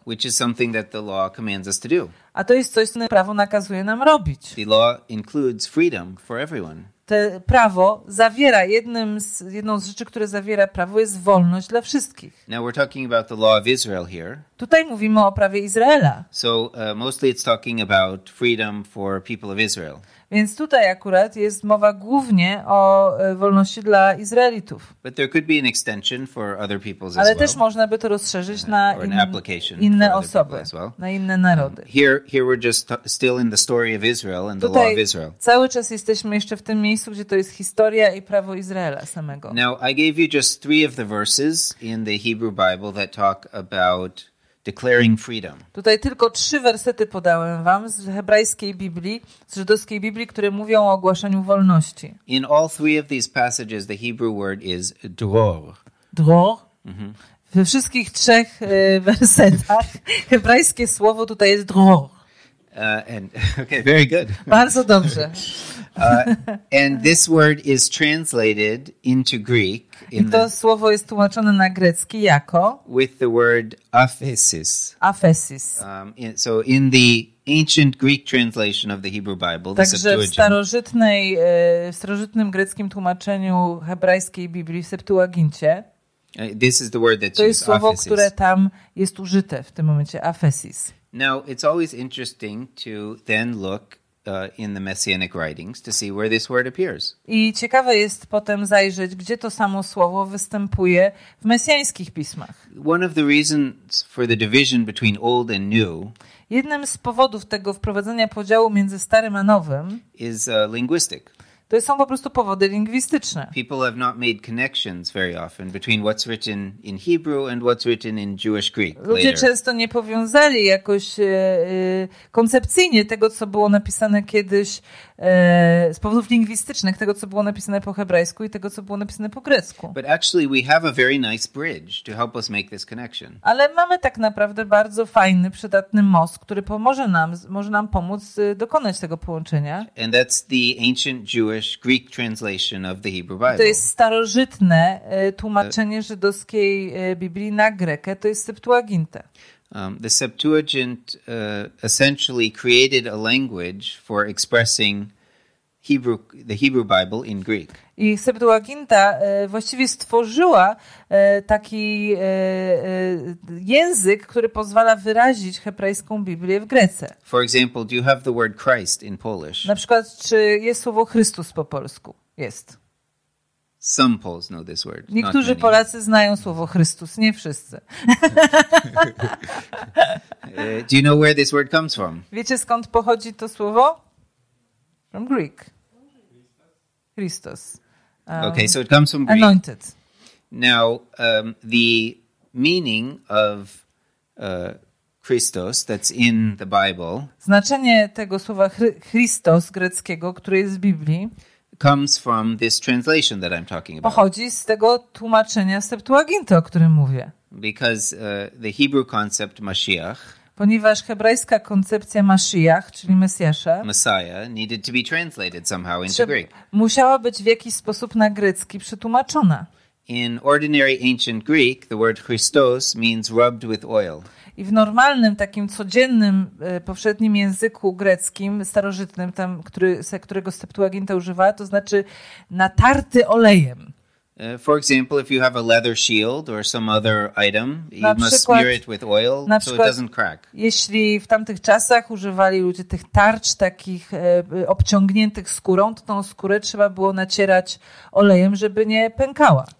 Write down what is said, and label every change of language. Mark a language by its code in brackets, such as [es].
[en] Which is something that the law commands us to do. [pl] A to jest coś, co prawo nakazuje nam robić. [en] The law includes freedom for everyone. [pl] To prawo zawiera, jedną z rzeczy, które zawiera prawo, jest wolność dla wszystkich. [en] Now we're talking about the law of Israel here. [pl] Tutaj mówimy o prawie Izraela. [en] So mostly it's talking about freedom for people of Israel. [pl] Więc tutaj akurat jest mowa głównie o wolności dla Izraelitów. [en] But there could be an extension for other peoples as well. [pl] Ale też można by to rozszerzyć na inne osoby, na inne narody. [en] Here we're just still in the story of Israel and the law of Israel. [pl] Cały czas jesteśmy jeszcze w tym miejscu, gdzie to jest historia i prawo Izraela samego. [en] Now I gave you just three of the verses in the Hebrew Bible that talk about declaring freedom. [pl] Tutaj tylko trzy wersety podałem wam z hebrajskiej Biblii, z żydowskiej Biblii, które mówią o ogłaszaniu wolności. [en] In all three of these passages the Hebrew word is dror. [pl] Dror? We wszystkich trzech wersetach hebrajskie słowo tutaj jest dror. [en] Okay, very good. [pl] Bardzo dobrze. [en] And this word is translated into Greek. [pl] Słowo jest tłumaczone na grecki jako [en] with the word aphesis. [pl] Aphesis. [en] So in the ancient Greek translation of the Hebrew Bible, [pl] także [en] the Septuagint. [pl] Także w starożytnym greckim tłumaczeniu hebrajskiej Biblii, Septuagincie. [en] This is the word that's used. [pl] To jest słowo, aphesis, które tam jest użyte w tym momencie, aphesis. [en] Now it's always interesting to then look in the messianic writings to see where this word appears. [pl] I ciekawe jest potem zajrzeć, gdzie to samo słowo występuje w mesjańskich pismach. [en] One of the reasons for the division between old and new. [pl] Jednym z powodów tego wprowadzenia podziału między starym a nowym [en] is linguistic. [pl] To są po prostu powody lingwistyczne. [en] People have not made connections very often between what's written in Hebrew and what's written in Jewish Greek. [pl] Ludzie często nie powiązali jakoś koncepcyjnie tego, co było napisane kiedyś z powodów lingwistycznych, tego, co było napisane po hebrajsku i tego, co było napisane po grecku. [en] But actually we have a very nice bridge to help us make this connection. [pl] Ale mamy tak naprawdę bardzo fajny, przydatny most, który może nam pomóc dokonać tego połączenia. [en] And that's the ancient Jewish Greek translation of the Hebrew Bible. [pl] To jest starożytne tłumaczenie żydowskiej Biblii na grekę, to jest Septuaginta. [en] The Septuagint essentially created a language for expressing the Hebrew Bible in Greek. [pl] I Septuaginta właściwie stworzyła taki język, który pozwala wyrazić hebrajską Biblię w Grece. [en] For example, do you have the word Christ in Polish? [pl] Na przykład, czy jest słowo Chrystus po polsku? Jest. [en] Some Poles know this word. [pl] Niektórzy Polacy znają słowo Chrystus, nie wszyscy. [en] Do you know where this word comes from? [pl] Wiecie, skąd pochodzi to słowo? [en] From Greek. Christos. Okay, so it comes from Greek. Anointed. Now, the meaning of Christos that's in the Bible. [pl] Znaczenie tego słowa Christos greckiego, które jest w Biblii. [en] Comes from this translation that I'm talking about. [pl] Pochodzi z tego tłumaczenia Septuaginty, o którym mówię. [en] Because the Hebrew concept Mashiach. [pl] Ponieważ hebrajska koncepcja Mashiach, czyli Mesjasza, [en] Messiah, needed to be translated somehow into Greek. [pl] Musiała być w jakiś sposób na grecki przetłumaczona. [en] In ordinary ancient Greek, the word Christos means rubbed with oil. [pl] I w normalnym, takim codziennym, powszednim języku greckim, starożytnym, tam, którego Septuaginta używała, to znaczy natarty olejem. [en] For example, if you have a leather shield or some other item, you must smear it with oil so it doesn't crack. [pl] Jeśli w tamtych czasach używali ludzie tych tarcz takich obciągniętych skórą, to tą skórę trzeba było nacierać olejem, żeby nie pękała.